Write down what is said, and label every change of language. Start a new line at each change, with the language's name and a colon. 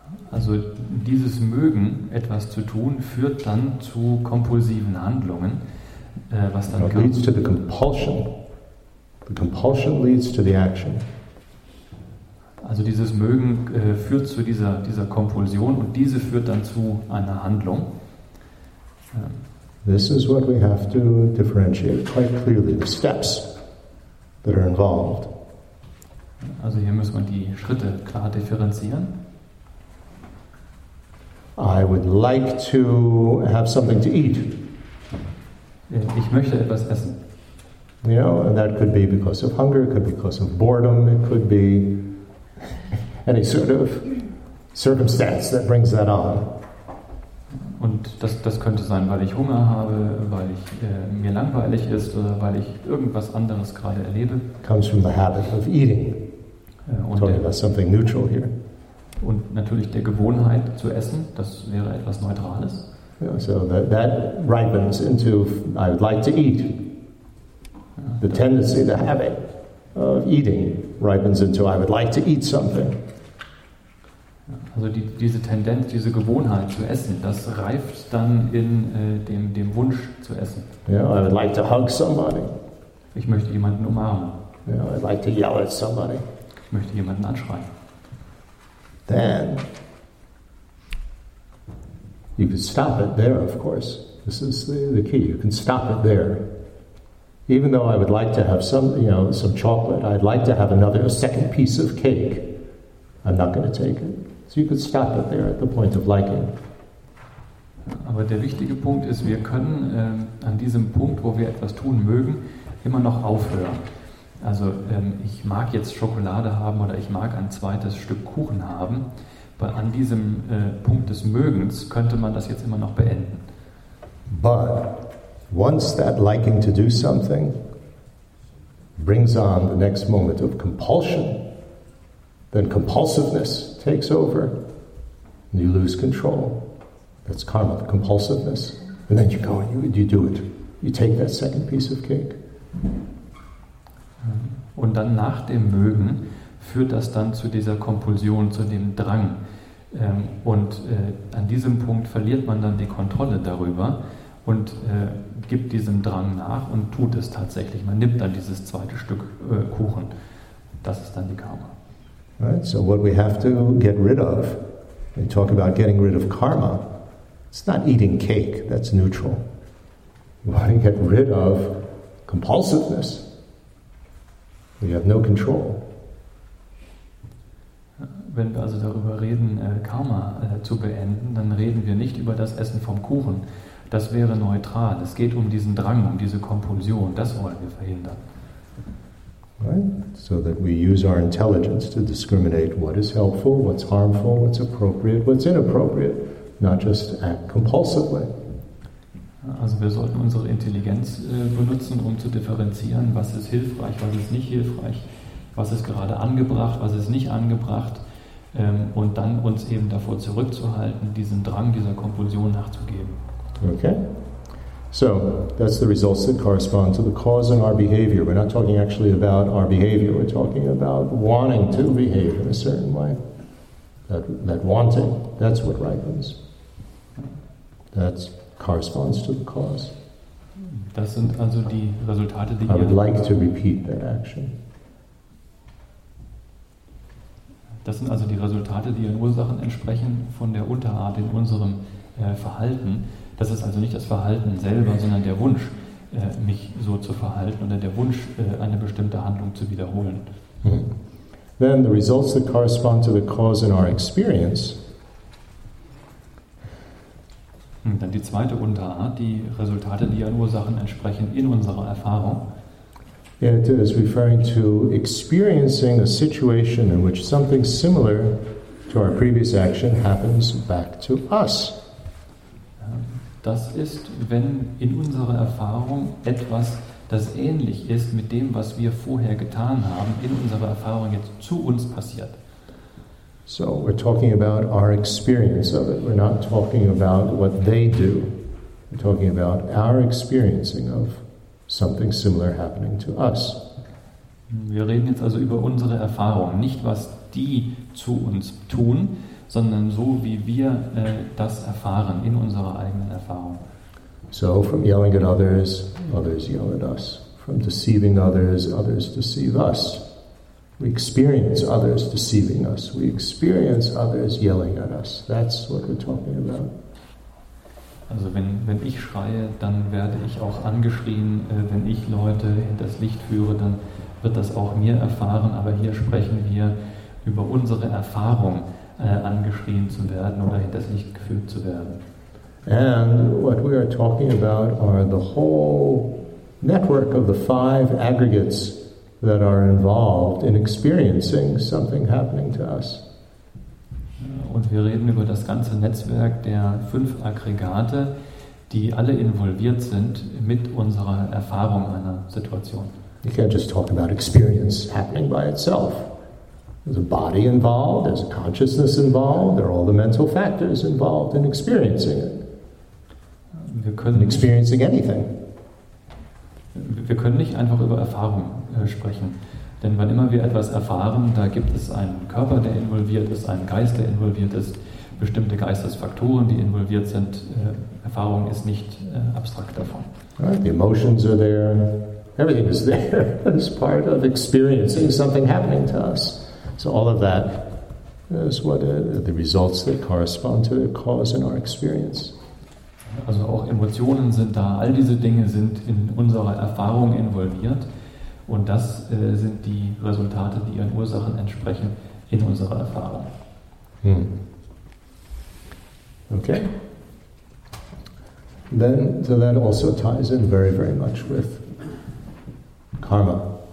German: Also dieses Mögen, etwas zu tun, führt dann zu kompulsiven Handlungen, was dann kommt.
English: Leads to the compulsion. The compulsion leads to the action.
German: Also dieses Mögen führt zu dieser Kompulsion und diese führt dann zu einer Handlung.
English: This is what we have to differentiate quite clearly, the steps that are involved.
German: Also hier muss man die Schritte klar differenzieren.
English: I would like to have something to eat.
German: Ich möchte etwas essen.
English: And that could be because of hunger, it could be because of boredom, it could be any sort of circumstance that brings that on.
German: Und das könnte sein, weil ich Hunger habe, weil ich mir langweilig ist oder weil ich irgendwas anderes gerade erlebe.
English: Comes from the habit of eating. Talking about something neutral here.
German: Und natürlich der Gewohnheit zu essen, das wäre etwas Neutrales.
English: Yeah, so that ripens into I would like to eat. The tendency, the habit of eating ripens into I would like to eat something.
German: Also diese Tendenz, diese Gewohnheit zu essen, das reift dann in dem Wunsch zu essen.
English: I would like to hug somebody.
German: Ich möchte jemanden umarmen.
English: I'd like to yell at somebody.
German: Ich möchte jemanden anschreien.
English: Then you can stop it there, of course. This is the key. You can stop it there. Even though I would like to have some chocolate, I'd like to have a second piece of cake. I'm not going to take it. So you could stop it there at the point of liking.
German: Aber der wichtige Punkt ist, wir können an diesem Punkt, wo wir etwas tun mögen, immer noch aufhören. Also ich mag jetzt Schokolade haben oder ich mag ein zweites Stück Kuchen haben. an diesem Punkt des Mögens könnte man das jetzt immer noch beenden.
English: But once that liking to do something brings on the next moment of compulsion, then compulsiveness takes over and you lose control. That's karma, the compulsiveness. And then you go and you do it. You take that second piece of cake.
German: Und dann nach dem Mögen führt das dann zu dieser Kompulsion, zu dem Drang. Und an diesem Punkt verliert man dann die Kontrolle darüber und gibt diesem Drang nach und tut es tatsächlich. Man nimmt dann dieses zweite Stück Kuchen. Das ist dann die Karma.
English: Right, so what we have to get rid of, when you talk about getting rid of karma, it's not eating cake, that's neutral. We want to get rid of compulsiveness. We have no control.
German: Wenn wir also darüber reden, Karma zu beenden, dann reden wir nicht über das Essen vom Kuchen. Das wäre neutral. Es geht um diesen Drang, um diese Kompulsion. Das wollen wir verhindern.
English: Right? So that we use our intelligence to discriminate what is helpful, what's harmful, what's appropriate, what's inappropriate, not just act compulsively.
German: Also wir sollten unsere Intelligenz benutzen, um zu differenzieren, was ist hilfreich, was ist nicht hilfreich, was ist gerade angebracht, was ist nicht angebracht, und dann uns eben davor zurückzuhalten, diesem Drang, dieser Kompulsion nachzugeben.
English: Okay. So, that's the results that correspond to the cause in our behavior. We're not talking actually about our behavior, we're talking about wanting to behave in a certain way. That wanting, that's what ripens. That's corresponds to the cause.
German: Das sind also die Resultate, die
English: I would like to repeat that action.
German: Das sind also die Resultate, die ihren Ursachen entsprechen, von der Unterart in unserem Verhalten. Das ist also nicht das Verhalten selber, sondern der Wunsch, mich so zu verhalten oder der Wunsch, eine bestimmte Handlung zu wiederholen. Hmm.
English: Then the results that correspond to the cause in our experience.
German: Dann die zweite Unterart, die Resultate, die ihren Ursachen entsprechen in unserer Erfahrung.
English: It is referring to experiencing a situation in which something similar to our previous action happens back to us.
German: Das ist, wenn in unserer Erfahrung etwas, das ähnlich ist mit dem, was wir vorher getan haben, in unserer Erfahrung jetzt zu uns passiert.
English: So we're talking about our experience of it. We're not talking about what they do. We're talking about our experiencing of something similar happening to us.
German: Wir reden jetzt also über unsere Erfahrung, nicht was die zu uns tun, sondern so, wie wir das erfahren in unserer eigenen Erfahrung.
English: So, from yelling at others, others yell at us. From deceiving others, others deceive us. We experience others deceiving us. We experience others yelling at us. That's what we're talking about.
German: Also wenn ich schreie, dann werde ich auch angeschrien. Wenn ich Leute hinters Licht führe, dann wird das auch mir erfahren. Aber hier sprechen wir über unsere Erfahrung, angeschrien zu werden oder hinters Licht geführt zu werden.
English: And what we are talking about are the whole network of the five aggregates that are involved in experiencing something happening to us.
German: Und wir reden über das ganze Netzwerk der fünf Aggregate, die alle involviert sind mit unserer Erfahrung einer Situation.
English: You can't just talk about experience happening by itself. There's a body involved, there's a consciousness involved, there are all the mental factors involved in experiencing it.
German: Wir können
English: experiencing anything.
German: Wir können nicht einfach über Erfahrung sprechen. Denn wann immer wir etwas erfahren, da gibt es einen Körper, der involviert ist, einen Geist, der involviert ist, bestimmte Geistesfaktoren, die involviert sind. Erfahrung ist nicht abstrakt davon.
English: Right, the emotions are there. Everything is there. It's part of experiencing something happening to us. So all of that is what the results that correspond to the cause in our experience.
German: Also auch Emotionen sind da. All diese Dinge sind in unserer Erfahrung involviert. Und das sind die Resultate, die ihren Ursachen entsprechen in unserer Erfahrung. Hmm.
English: Okay. Then, so that also ties in very, very much with karma.